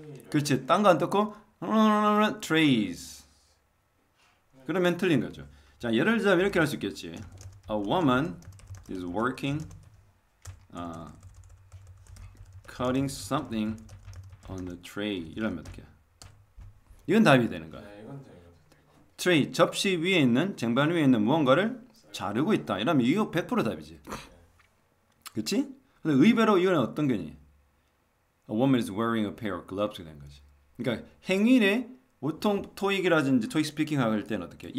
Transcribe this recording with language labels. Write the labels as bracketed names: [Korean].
[Korean] 그렇지. 딴거안 뜯고 트레이즈. 그러면 틀린 거죠. 자, 예를 들자면 이렇게 할수 있겠지. [English] A woman is working cutting something on the tray. [Korean] 이러면 어떻게? 이건 답이 되는 거야. 트레이, 접시 위에 있는 쟁반 위에 있는 무언가를 자르고 있다. 이러면 이거 100% 답이지. 그렇지? 근데 의외로 이건 어떤 거니? [English] A woman is wearing a pair of gloves. [Korean] 된 거지. 그러니까 행위에 보통 토익이라든지 토익 스피킹 할 때는 어떻게?